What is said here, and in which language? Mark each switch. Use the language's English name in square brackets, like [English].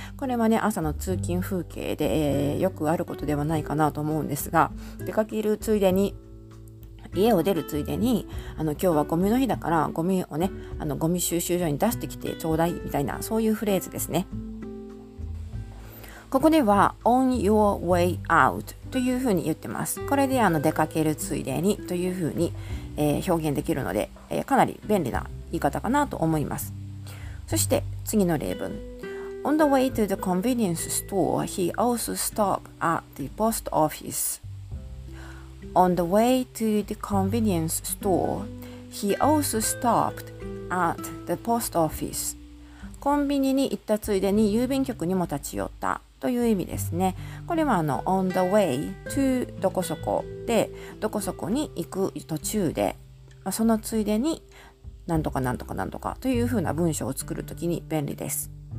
[Japanese] これはね、朝の通勤風景で、よくあることではないかなと思うんですが、出かけるついでに、家を出るついでに、今日はゴミの日だからゴミをね、ゴミ収集所に出してきてちょうだいみたいな、そういうフレーズですね。ここでは [English] on your way out [Japanese] というふうに言ってます。これで出かけるついでにというふうに表現できるので、かなり便利な言い方かなと思います。そして次の例文。 [English] On the way to the convenience store, he also stopped at the post office. On the way to the convenience store, he also stopped at the post office. [Japanese] コンビニに行ったついでに郵便局にも立ち寄ったという意味ですね。これは [English] on the way to [Japanese] どこそこで、どこそこに行く途中で、そのついでに何とか何とか何とかというふうな文章を作るときに便利です。